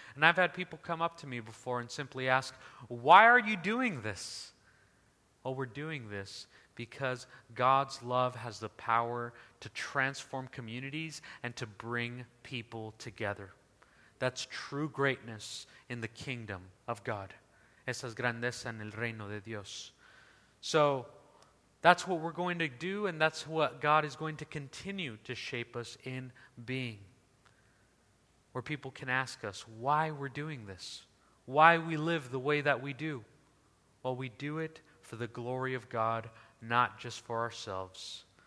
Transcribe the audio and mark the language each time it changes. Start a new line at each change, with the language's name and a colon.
English: And I've had people come up to me before and simply ask, why are you doing this? Well, we're doing this because God's love has the power to transform communities and to bring people together. That's true greatness in the kingdom of God.
Spanish: Esa es grandeza en el reino de Dios.
English: So that's what we're going to do, and that's what God is going to continue to shape us in being. Where people can ask us why we're doing this, why we live the way that we do. Well, we do it for the glory of God, not just for ourselves.